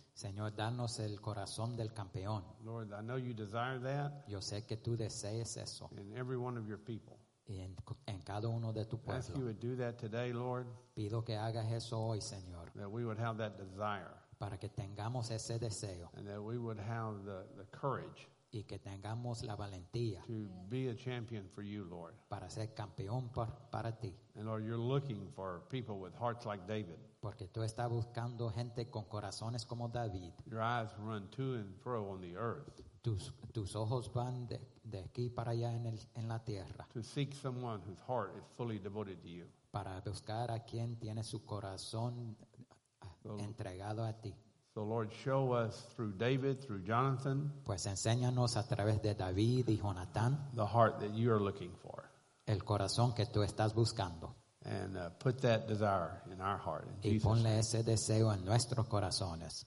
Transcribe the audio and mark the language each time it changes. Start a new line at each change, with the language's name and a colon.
Spanish: Señor, danos el corazón del campeón.
English: Lord, I know you desire that.
Spanish: Yo sé que tú deseas eso.
English: In every one of your people.
Spanish: En cada uno de tu pueblo.
English: Ask you to do that today, Lord.
Spanish: Pido que hagas eso hoy, Señor.
English: That we would have that desire.
Spanish: Para que tengamos ese deseo.
English: And that we would have the courage.
Spanish: Y que tengamos la valentía.
English: To be a champion for you, Lord.
Spanish: Para ser campeón para ti.
English: And Lord, you're looking for people with hearts like David.
Spanish: Porque tú estás buscando gente con corazones como David.
English: Your eyes run to and fro on the earth.
Spanish: Tus ojos van de aquí para allá en la tierra.
English: To seek someone whose heart is fully devoted to you.
Spanish: Para buscar a quien tiene su corazón entregado a ti.
English: So Lord, show us through David, through Jonathan.
Spanish: Pues enséñanos a través de David y Jonathan.
English: The heart that you are looking for.
Spanish: El corazón que tú estás buscando.
English: And put that desire in our heart. In
Spanish: y ponle
English: Jesus' name.
Spanish: Ese deseo en nuestros corazones.